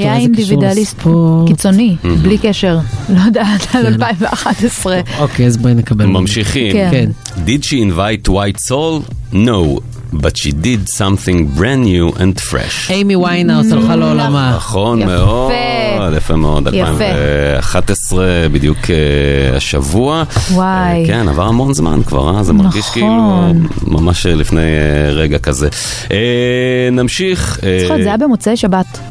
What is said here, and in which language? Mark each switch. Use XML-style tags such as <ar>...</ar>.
<he>מי היה אינדיבידואליסט קיצוני, בלי קשר, לא יודע, עד 2011. אוקיי, אז בואי נקבל. ממשיכים.</he> <en>Did she invite white soul? No. But she did something brand new and fresh.</en> <he>אמי ויינהאוס הלכה לעולמה. נכון מאוד. יפה. יפה מאוד. 2011 בדיוק השבוע. וואי. כן, עבר המון זמן כבר. זה מרגיש כאילו ממש לפני רגע כזה. נמשיך. זכות, זה היה במוצאי שבת.</he>